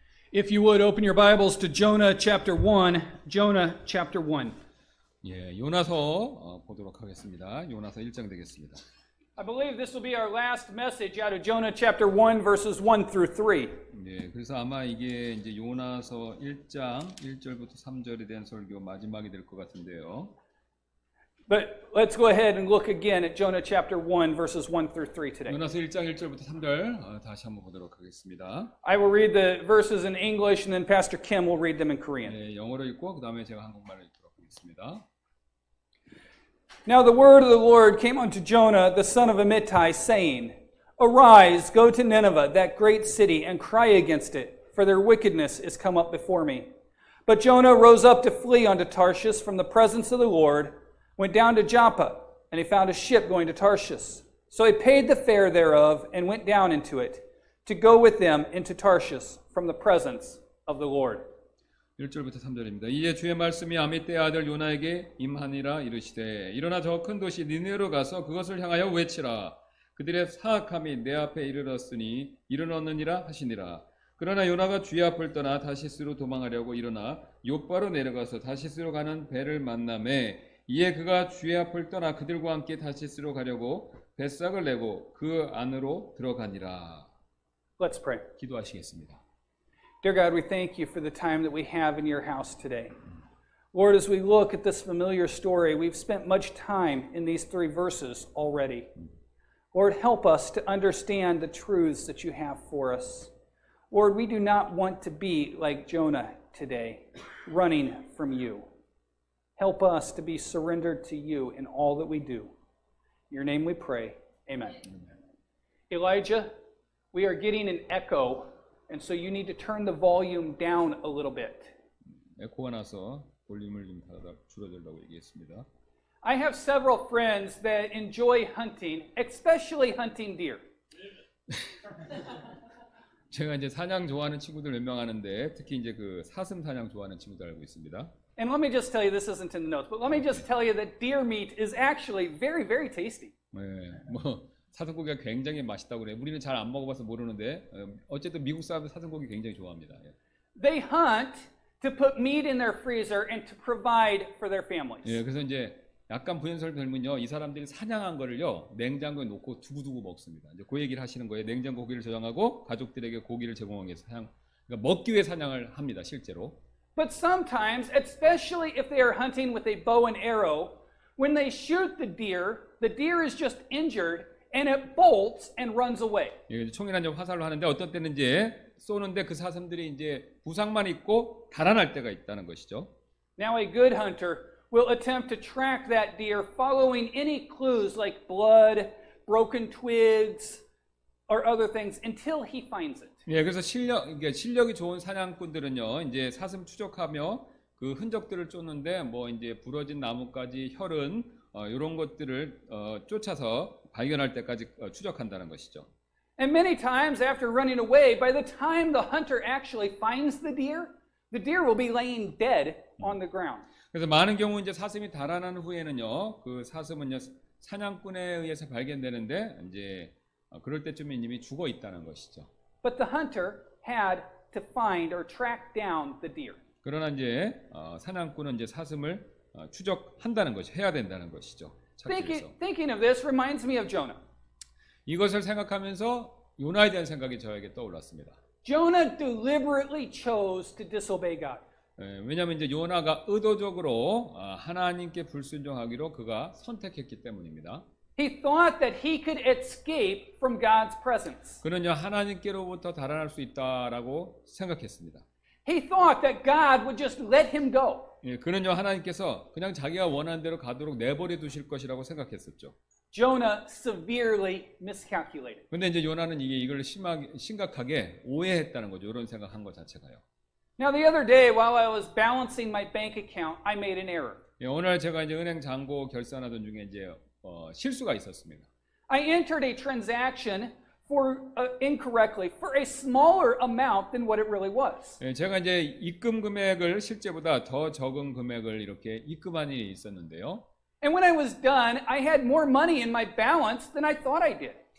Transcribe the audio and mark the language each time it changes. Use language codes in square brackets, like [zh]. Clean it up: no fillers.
[en] If you would open your Bibles to Jonah chapter 1, Jonah chapter 1. [ko] 예, 요나서 보도록 하겠습니다. 요나서 1장 되겠습니다. [en] I believe this will be our last message out of Jonah chapter 1 verses 1 through 3. [ko] 네, 그래서 아마 이게 이제 요나서 1장 1절부터 3절에 대한 설교 마지막이 될 것 같은데요. [en] But let's go ahead and look again at Jonah chapter 1 verses 1 through 3 today. [ko] 요나서 1장 1절부터 3절 다시 한번 보도록 하겠습니다. [en] I will read the verses in English and then Pastor Kim will read them in Korean. [ko] 네, 영어로 읽고 그다음에 제가 한국말로 읽도록 하겠습니다. [en] Now the word of the Lord came unto Jonah, the son of Amittai, saying, Arise, go to Nineveh, that great city, and cry against it, for their wickedness is come up before me. But Jonah rose up to flee unto Tarshish from the presence of the Lord, went down to Joppa, and he found a ship going to Tarshish. So he paid the fare thereof, and went down into it, to go with them into Tarshish from the presence of the Lord. [ko] 1절부터 3절입니다. 이에 주의 말씀이 아미떼 아들 요나에게 임하니라 이르시되 일어나 저 큰 도시 니느웨로 가서 그것을 향하여 외치라. 그들의 사악함이 내 앞에 이르렀으니 이르렀느니라 하시니라. 그러나 요나가 주의 앞을 떠나 다시스로 도망하려고 일어나 욕바로 내려가서 다시스로 가는 배를 만남에 이에 그가 주의 앞을 떠나 그들과 함께 다시스로 가려고 뱃삭을 내고 그 안으로 들어가니라. [en] Let's pray. [ko] 기도하시겠습니다. [en] Dear God, we thank you for the time that we have in your house today. Lord, as we look at this familiar story, we've spent much time in these three verses already. Lord, help us to understand the truths that you have for us. Lord, we do not want to be like Jonah today, running from you. Help us to be surrendered to you in all that we do. In your name we pray. Amen. Elijah, we are getting an echo. And so you need to turn the volume down a little bit. [ko] 에코가 나서 볼륨을 좀 줄여달라고 얘기했습니다. [en] I have several friends that enjoy hunting, especially hunting deer. [ko] 제가 이제 사냥 좋아하는 친구들 몇 명 아는데 특히 이제 그 사슴 사냥 좋아하는 친구들 알고 있습니다. [en] And let me just tell you, this isn't in the notes, but let me just tell you that deer meat is actually very, very tasty. [ko] 네, 뭐. 사슴고기가 굉장히 맛있다고 그래요. 우리는 잘 안 먹어봐서 모르는데 어쨌든 미국 사람들 사슴고기 굉장히 좋아합니다. [en] They hunt to put meat in their freezer and to provide for their families. [ko] 예, 그래서 이제 약간 부연설 들면요, 이 사람들이 사냥한 거를요 냉장고에 놓고 두고두고 먹습니다. 이제 그 얘기를 하시는 거예요. 냉장고 고기를 저장하고 가족들에게 고기를 제공하기 위해서 사냥, 그러니까 먹기 위해 사냥을 합니다, 실제로. [en] But sometimes, especially if they are hunting with a bow and arrow, when they shoot the deer is just injured. And it bolts and runs away. [ko] 예, 총이나 이제 화살로 하는데 어떤 때는 이제 쏘는데 그 사슴들이 이제 부상만 입고 달아날 때가 있다는 것이죠. [en] Now a good hunter will attempt to track that deer, following any clues like blood, broken twigs, or other things until he finds it. [ko] 예, 그래서 실력 이게 실력이 좋은 사냥꾼들은요 이제 사슴 추적하며 그 흔적들을 쫓는데 뭐 이제 부러진 나뭇가지, 혈흔 이런 것들을 쫓아서 발견할 때까지 추적한다는 것이죠. [en] And many times after running away, by the time the hunter actually finds the deer will be laying dead on the ground. [ko] 그래서 많은 경우 이제 사슴이 달아난 후에는요, 그 사슴은요 사냥꾼에 의해서 발견되는데 이제 그럴 때쯤에 이미 죽어 있다는 것이죠. [en] But the hunter had to find or track down the deer. [ko] 그러나 이제 사냥꾼은 이제 사슴을 추적한다는 것이 해야 된다는 것이죠. [en] Thinking of this reminds me of Jonah. [ko] 이것을 생각하면서 요나에 대한 생각이 저에게 떠올랐습니다. [en] Jonah deliberately chose to disobey God. [ko] 왜냐하면 이제 요나가 의도적으로 하나님께 불순종하기로 그가 선택했기 때문입니다. [en] He thought that he could escape from God's presence. [ko] 그는요 하나님께로부터 달아날 수 있다라고 생각했습니다. [en] He thought that God would just let him go. [ko] 예, 그는요 하나님께서 그냥 자기가 원하는 대로 가도록 내버려 두실 것이라고 생각했었죠. [en] Jonah severely miscalculated. [ko] 근데 이제 요나는 이게 이걸 심각하게 오해했다는 거죠. 이런 생각한 것 자체가요. [en] Now the other day while I was balancing my bank account, I made an error. [ko] 예, 오늘 제가 이제 은행 잔고 결산하던 중에 이제 실수가 있었습니다. [en] I entered a transaction incorrectly for a smaller amount than what it really was. [ko] 예, 제가 이제 입금 금액을 실제보다 더 적은 금액을 이렇게 입금한 일이 있었는데요. [en] And when I was done, I had more money in my balance than I thought I did.